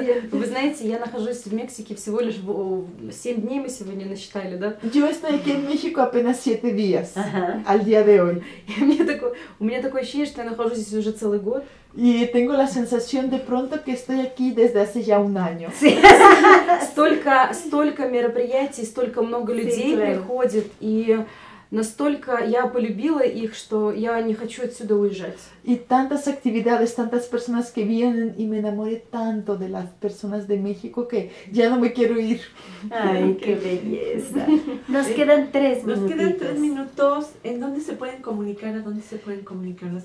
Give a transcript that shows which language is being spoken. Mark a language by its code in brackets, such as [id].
[ru] Вы знаете, я нахожусь в Мексике всего лишь 7 дней, мы сегодня насчитали, да? [es] Yo estoy aquí en México apenas 7 días, al día de hoy. [ru] У меня такое ощущение, что я нахожусь здесь уже целый год. [es] Y tengo la sensación de pronto que estoy aquí desde hace ya un año. Sí. [ru] столько мероприятий, столько много людей приходит, и Настолько я полюбила их, что я не хочу отсюда уезжать. [es] И tantas actividades, tantas personas que vienen y me enamoré tanto de las personas de México que ya no me quiero ir. Ay, qué belleza. Nos quedan tres minutos. Nos quedan tres minutos. ¿En dónde se pueden comunicar? ¿A dónde se pueden comunicar las